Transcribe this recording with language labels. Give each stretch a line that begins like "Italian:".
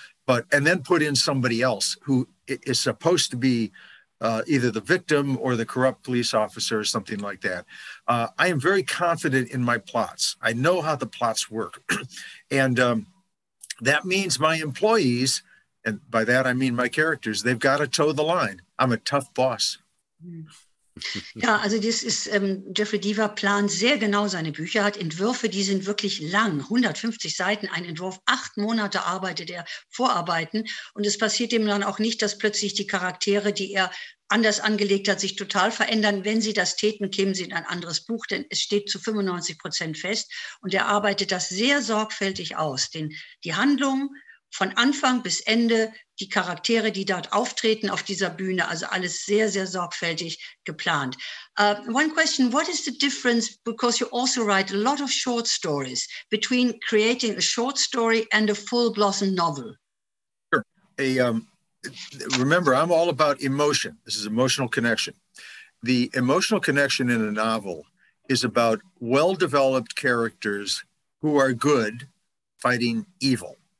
English: But, and then put in somebody else who is supposed to be either the victim or the corrupt police officer or something like that. I am very confident in my plots. I know how the plots work. And that means my employees, and by that I mean my characters, they've got to toe the line. I'm a tough boss.
German: Ja, also das ist, Jeffery Deaver plant sehr genau seine Bücher, hat Entwürfe, die sind wirklich lang, 150 Seiten, ein Entwurf, 8 Monate arbeitet er, Vorarbeiten, und es passiert ihm dann auch nicht, dass plötzlich die Charaktere, die er anders angelegt hat, sich total verändern. Wenn sie das täten, kämen sie in ein anderes Buch, denn es steht zu 95% fest, und er arbeitet das sehr sorgfältig aus, denn die Handlung von Anfang bis Ende, die Charaktere, die dort auftreten auf dieser Bühne, also alles sehr, sehr sorgfältig geplant.
English: One question, what is the difference, because you also write a lot of short stories, between creating a short story and a full-blossom novel? Sure. Remember, I'm all about emotion. This is emotional connection. The emotional connection in a novel is about well-developed characters who are good fighting evil.